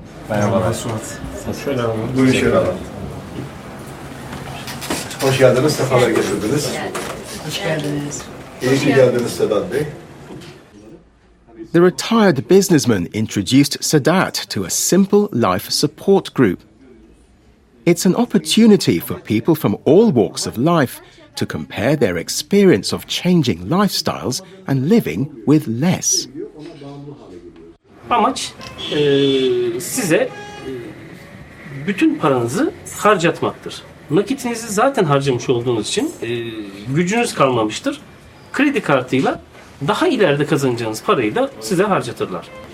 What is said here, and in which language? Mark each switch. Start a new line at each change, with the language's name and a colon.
Turkish: Merhaba Suat. Selam. Hoş geldiniz, sefalar getirdiniz. Hoş geldiniz. İyi ki geldiniz Sedat Bey.
English: The retired businessman introduced Sadat to a simple life support group. It's an opportunity for people from all walks of life to compare their experience of changing lifestyles and living with less.
Turkish: Amaç size bütün paranızı harcatmaktır. Nakitinizi zaten harcamış olduğunuz için gücünüz kalmamıştır. Kredi kartıyla daha ileride kazanacağınız parayı da size harcatırlar.